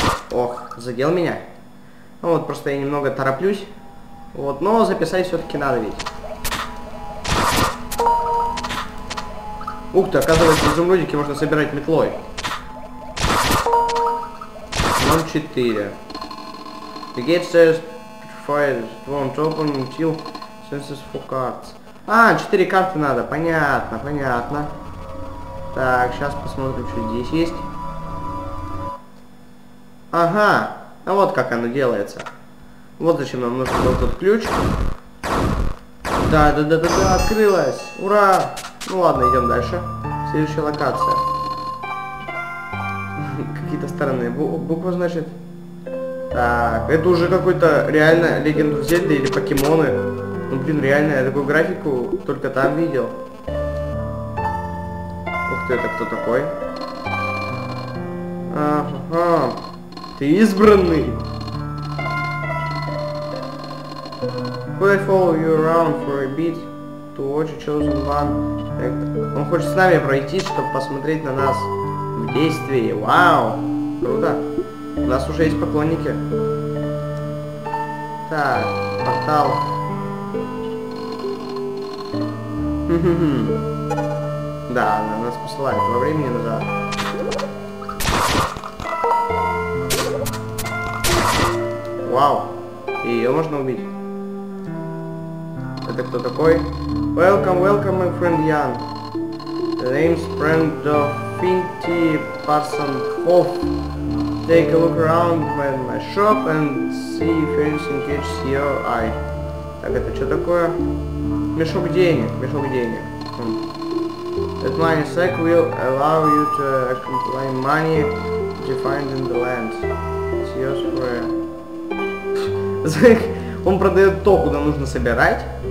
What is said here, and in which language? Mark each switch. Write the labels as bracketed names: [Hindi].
[Russian] Ох, задел меня. Ну, вот просто я немного тороплюсь. Вот, но записать все-таки надо ведь. Ух ты, оказывается, изумрудики можно собирать метлой. 0-4. [English] The gate says fire won't open until senses for cards. [Russian] А, 4 карты надо, понятно, понятно. Так, сейчас посмотрим, что здесь есть. Ага, а вот как оно делается. Вот зачем нам нужен вот этот ключ. Да, открылось, ура. Ну ладно, идем дальше. Следующая локация. Какие-то странные буквы, значит. Так, это уже какой-то реально Legend of Zelda или покемоны. Ну блин, реально, я такую графику только там видел. Ух ты, это кто такой? Ага, ты избранный. [English] Could I follow you around for a bit? To watch a chosen one. [Russian] Он хочет с нами пройти, чтобы посмотреть на нас в действии. Вау! Круто! У нас уже есть поклонники. Так, портал. Да, она нас посылает во времени назад. Вау! Ее можно убить. Это кто такой? [English] Welcome, welcome, my friend Jan. The name's friend of Finti Parson Hoff. Take a look around in my shop and see if anything catches your eye. [Russian] Так, это что такое? Мешок денег, мешок денег. [English] That money sack will allow you to acquire money to find in the land. It's yours for... [Russian] Он продает то, куда нужно собирать.